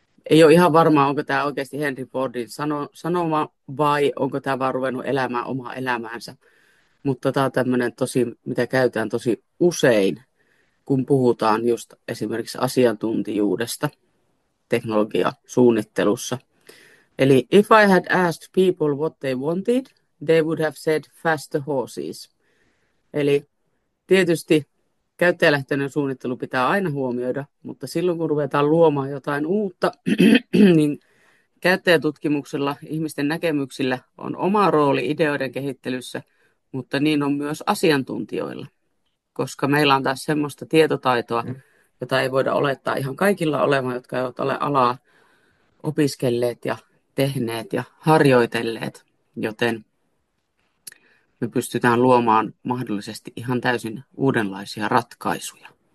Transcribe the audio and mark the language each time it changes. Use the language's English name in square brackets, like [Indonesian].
[Finnish] Ei ole ihan varmaa, onko tämä oikeasti Henry Fordin sanoma vai onko tämä vaan ruvennut elämään omaa elämäänsä. Mutta tämä on tämmöinen, mitä käytetään tosi usein, kun puhutaan just esimerkiksi asiantuntijuudesta teknologiasuunnittelussa. Eli [English] if I had asked people what they wanted, they would have said faster horses. [Finnish] Eli tietysti käyttäjälähtöinen suunnittelu pitää aina huomioida, mutta silloin kun ruvetaan luomaan jotain uutta, niin käyttäjätutkimuksella, ihmisten näkemyksillä on oma rooli ideoiden kehittelyssä, mutta niin on myös asiantuntijoilla, koska meillä on taas semmoista tietotaitoa, jota ei voida olettaa ihan kaikilla olevan, jotka eivät ole alaa opiskelleet ja tehneet ja harjoitelleet, joten me pystytään luomaan mahdollisesti ihan täysin uudenlaisia ratkaisuja.